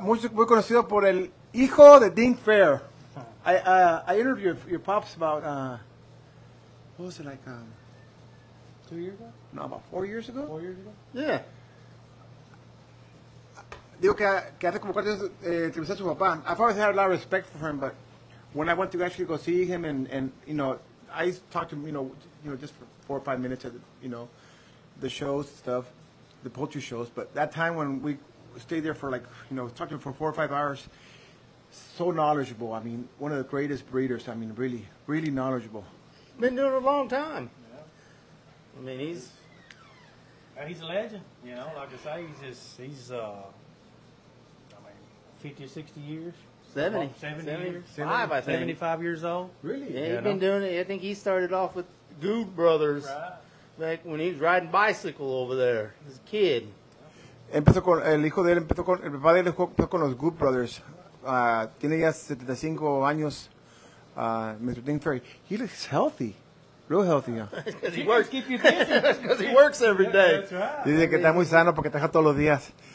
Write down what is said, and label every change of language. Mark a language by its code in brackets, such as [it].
[es] Muy conocido por el hijo de Dink Fair. [en] I interviewed your pops about, what was it, like, 2 years ago? No, about 4 years ago. 4 years ago? Yeah. [es] Digo que hace como 4 años entrevisté a su papá. [en] I've always had a lot of respect for him, but when I went to actually go see him and you know, I talked to him, you know, just for 4 or 5 minutes at, the shows and stuff, the poultry shows, but that time when we stayed there for like, talked to him for 4 or 5 hours, so knowledgeable. I mean, one of the greatest breeders. I mean, really, really knowledgeable. Been doing it a long time. Yeah. I mean, he's a legend. You know, like I say, he's 50, 60 years. 75 years old. Really? Yeah, he's been doing it. I think he started off with Grubb brothers, right, when he was riding bicycle over there as a kid. [es] Empezó con el hijo de él, empezó con el papá de él, empezó con los Grubb brothers. Tiene ya 75 años, Mr. Dink Fair. [en] He looks healthy, real healthy. Yeah. Because he works, keep you busy. Because he works every day. That's right. [es] Dice que está muy sano porque trabaja todos los días.